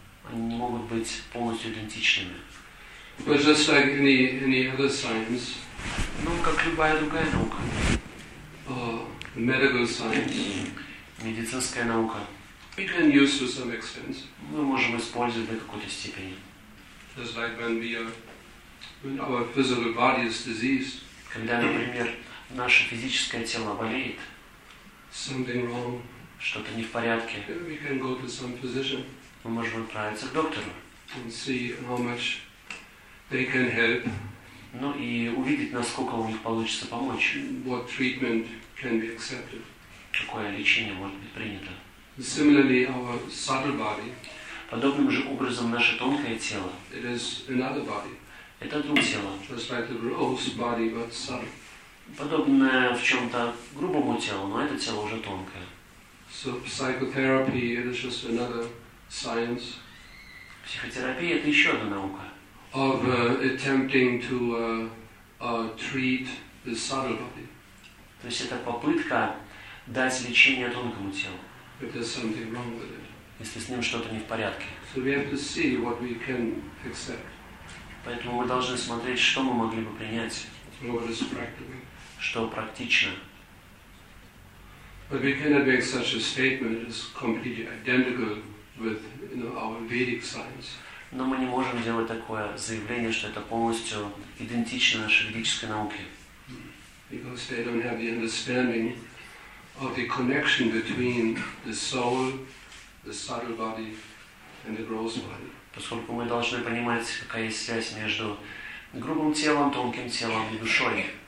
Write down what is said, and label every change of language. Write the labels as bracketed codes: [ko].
[ru] Они не могут быть полностью идентичными. [en] But just like any other science. [ru] Ну, как любая другая наука. [en] Medical science. [ru] Медицинская наука. [en] We can use to some extent. [ru] Мы можем использовать до какой-то степени. [en] Just like when our physical body is diseased. [ru] Когда, например, наше физическое тело болеет. [en] Something wrong. [ru] Что-то не в порядке. [en] We can go to some physician. [ru] Мы можем отправиться к доктору. [en] And see how much they can help. [ru] Ну и увидеть, насколько у них получится помочь. [en] What treatment can be accepted. [ru] Какое лечение может быть принято. [en] Similarly, our subtle body. [ru] Подобным же образом наше тонкое тело. [en] It is another body. [ru] Это другое тело. [en] Just like the gross body, but subtle. [ru] Подобное в чем-то грубому телу, но это тело уже тонкое. [en] So psychotherapy, it is just another science. [ru] Психотерапия — это еще одна наука. [en] Of attempting to treat the subtle body. [ru] То есть это попытка дать лечение тонкому телу. [en] If there's something wrong with it. [ru] Если с ним что-то не в порядке. [en] So we have to see what we can accept. [ru] Поэтому мы должны смотреть, что мы могли бы принять. [en] What is practical. [ru] Что практично. [en] But we cannot make such a statement that is completely identical with, you know, our Vedic science. [ru] Но мы не можем делать такое заявление, что это полностью идентично нашей ведической науке. [en] Because they don't have the understanding of the connection between the soul, the subtle body, and the gross body. [ru] Поскольку мы должны понимать, какая есть связь между грубым телом, тонким телом и душой.